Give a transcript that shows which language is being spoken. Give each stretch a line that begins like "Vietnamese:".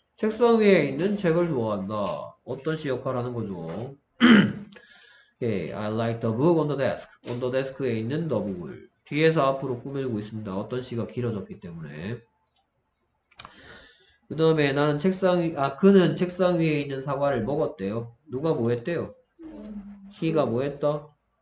Korean: 책상 위에 있는 책을 좋아한다. 어떤 시 역할하는 거죠?
English: Okay, I like the book on the desk. On the desk
Korean: 에 있는 the book을 뒤에서 앞으로 꾸며주고 있습니다. 어떤 시가 길어졌기 때문에. 그 다음에 나는 그는 책상 위에 있는 사과를 먹었대요. 누가 뭐 했대요? He가 뭐 했다?